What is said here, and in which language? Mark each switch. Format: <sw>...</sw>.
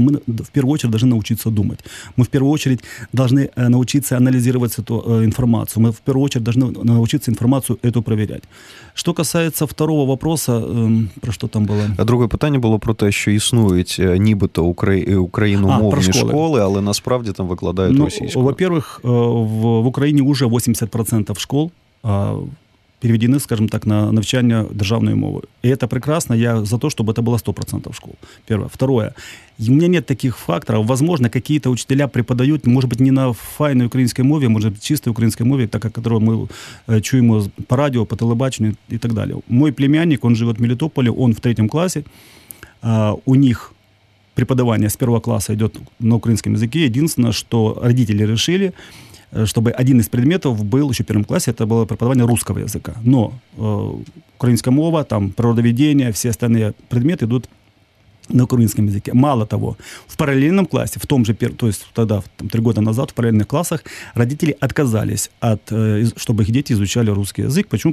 <ru>Мы в первую очередь должны научиться думать. Мы в первую очередь должны научиться анализировать эту информацию. Мы в первую очередь должны научиться информацию эту проверять. Что касается второго вопроса, про что там было?</ru> <uk>А другое питание было про то, что існуют нібито україномовні школи, але насправді там викладають російську.</uk> <ru>Во-первых, в Украине уже 80% школ переведены, скажем так,</ru> <uk>на навчання державної мови. І це прекрасно, я за те, щоб це було 100% школ. Перше.</uk> <ru>Второе.</ru> <uk>У мене немає таких факторів. Возможно, якісь учителя преподають, може бути, не на файній українській мові, може бути, чистій українській мові, так як ми чуємо по радіо, по телебаченню і так далі.</uk> <ru>Мой племянник,</ru> <uk>він живе в Мелітополі, він в 3-му класі. У них преподавання з 1-го класу йде на українському язикі. Єдине, що батьки вирішили,</uk> <ru>чтобы один из предметов был еще в первом классе, это было преподавание русского языка. Но украинская мова, там, природоведение, все остальные предметы идут на украинском языке. Мало того, в параллельном классе, в том же, то есть тогда, там, 3 года назад, в параллельных классах, родители отказались, чтобы их дети изучали русский язык. Почему?</ru>